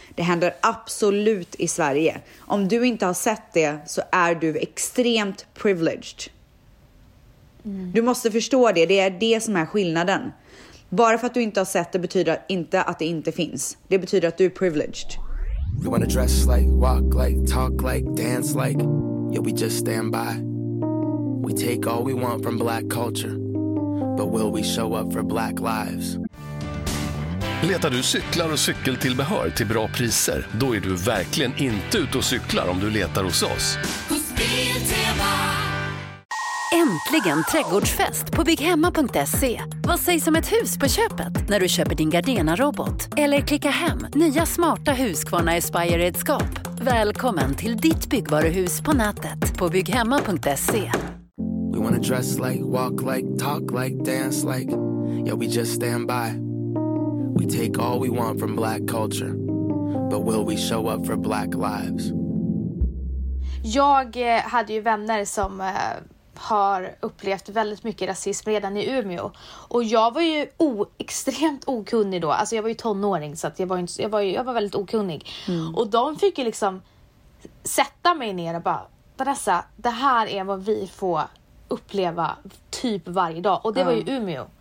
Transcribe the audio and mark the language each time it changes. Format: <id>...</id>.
<sv>Det händer absolut i Sverige. Om du inte har sett det så är du extremt privileged. Mm. Du måste förstå det. Det är det som är skillnaden. Bara för att du inte har sett det betyder inte att det inte finns. Det betyder att du är privileged.</sv> <en>You wanna dress like, walk like, talk like, dance like. Yeah, we just stand by. We take all we want from black culture. But will we show up for black lives?</en> <sv>Letar du cyklar och cykeltillbehör till bra priser? Då är du verkligen inte ute och cyklar om du letar hos oss. Äntligen trädgårdsfest på bygghemma.se. Vad sägs om ett hus på köpet när du köper din Gardena-robot? Eller klicka hem nya smarta Husqvarna Aspire-redskap. Välkommen till ditt byggvaruhus på nätet på bygghemma.se.</sv> <en>We wanna dress like, walk like, talk like, dance like. Yeah, we just stand by. We take all we want from black culture. But will we show up for black lives?</en> <sv>Jag hade ju vänner som har upplevt väldigt mycket rasism redan i Umeå. Och jag var ju extremt okunnig då. Alltså jag var ju tonåring så att jag var väldigt okunnig. Mm. Och de fick ju liksom sätta mig ner och bara, Vanessa, det här är vad vi får uppleva typ varje dag. Och det var ju Umeå.</sv>